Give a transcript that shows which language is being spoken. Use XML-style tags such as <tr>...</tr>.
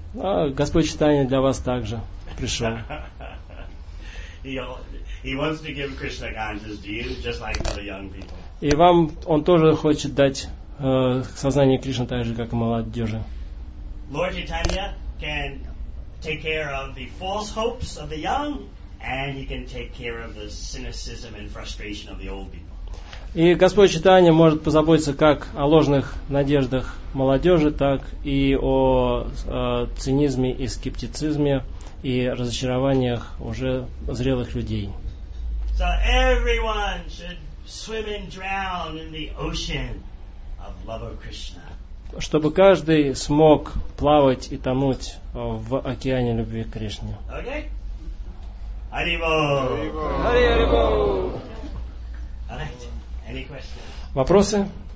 <ru>Господь Чайтанья для вас также пришел.</ru> <en>He wants to give Krishna consciousness to you, just like to the young people.</en> <ru>И вам он тоже хочет дать сознание Кришны так же, как и молодежи.</ru> <en>Lord Chaitanya can take care of the false hopes of the young, and he can take care of the cynicism and frustration of the old people.</en> <ru>И Господь Чайтанья может позаботиться как о ложных надеждах молодежи, так и о цинизме и скептицизме и разочарованиях уже зрелых людей.</ru> <en>So everyone should swim and drown in the ocean of love of Krishna.</en> <ru>Чтобы каждый смог плавать и тонуть в океане любви к Кришне.</ru> <en>Okay. Hare Bol. Any questions?</en> <ru>Вопросы?</ru>